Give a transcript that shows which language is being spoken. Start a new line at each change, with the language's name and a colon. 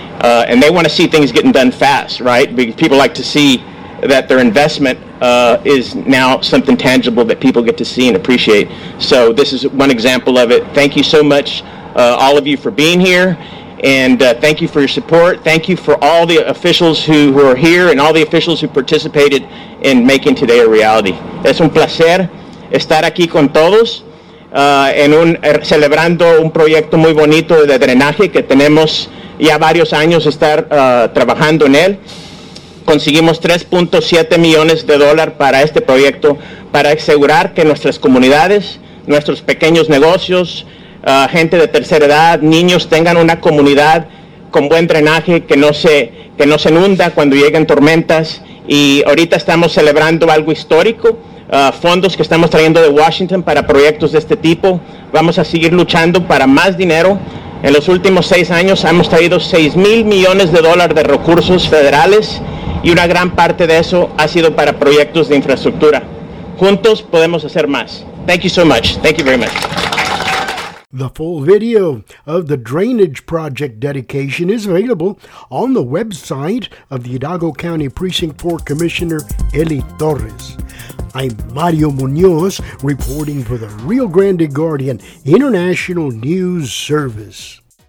English: And they want to see things getting done fast, right? Because people like to see that their investment is now something tangible that people get to see and appreciate. So this is one example of it. Thank you so much. All of you for being here, and thank you for your support. Thank you for all the officials who are here and all the officials who participated in making today a reality.
Spanish: Es un placer estar aquí con todos celebrando un proyecto muy bonito de drenaje que tenemos ya varios años estar trabajando en él. conseguimos 3.7 millones de dólares para este proyecto, para asegurar que nuestras comunidades, nuestros pequeños negocios, gente de tercera edad, niños, tengan una comunidad con buen drenaje, que no se inunda cuando lleguen tormentas. Y ahorita estamos celebrando algo histórico, fondos que estamos trayendo de Washington para proyectos de este tipo. Vamos a seguir luchando para más dinero. En los últimos 6 años hemos traído 6 mil millones de dólares de recursos federales y una gran parte de eso ha sido para proyectos de infraestructura. Juntos podemos hacer más.
English: Thank you so much. Thank you very much. The full video of the drainage project dedication is available on the website of the Hidalgo County Precinct 4 Commissioner Eli Torres. I'm Mario Munoz reporting for the Rio Grande Guardian International News Service.